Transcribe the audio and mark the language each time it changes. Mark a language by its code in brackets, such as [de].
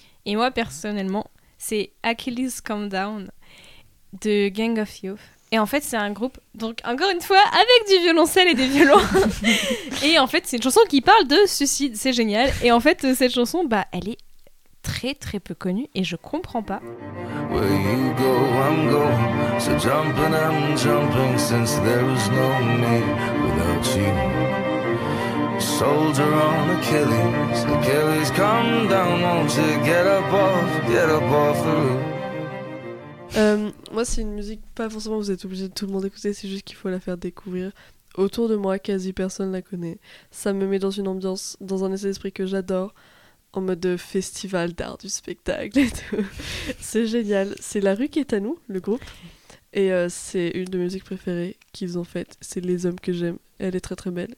[fr] Et moi, personnellement, c'est Achilles Come Down de Gang of Youth. Et en fait, c'est un groupe, donc encore une fois, avec du violoncelle et des violons. Et en fait, c'est une chanson qui parle de suicide, c'est génial. Et en fait, cette chanson, bah, elle est très très peu connue et je comprends pas. [en] Where you go, I'm going. So jumping, I'm jumping since there is no me without you. Soldier on Achilles, Achilles, come down, won't you get up off the roof. [fr] Moi, c'est une musique, pas forcément vous êtes obligé de tout le monde écouter, c'est juste qu'il faut la faire découvrir. Autour de moi, quasi personne la connaît. Ça me met dans une ambiance, dans un état d'esprit que j'adore, en mode de festival d'art du spectacle et tout. C'est génial. C'est La Rue qui est à nous, le groupe. Et c'est une de mes musiques préférées qu'ils ont faites. C'est Les Hommes que j'aime. Elle est très très belle.